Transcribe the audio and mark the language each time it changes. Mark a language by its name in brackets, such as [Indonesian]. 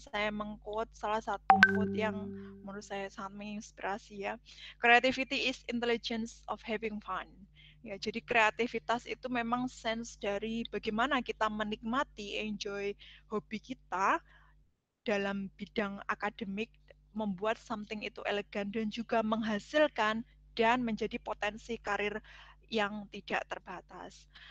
[Indonesian] Saya mengquote salah satu quote yang menurut saya sangat menginspirasi, ya. [English] Creativity is intelligence of having fun. [Indonesian] Ya, jadi kreativitas itu memang sense dari bagaimana kita menikmati, enjoy hobi kita dalam bidang akademik, membuat something itu elegan dan juga menghasilkan dan menjadi potensi karir yang tidak terbatas.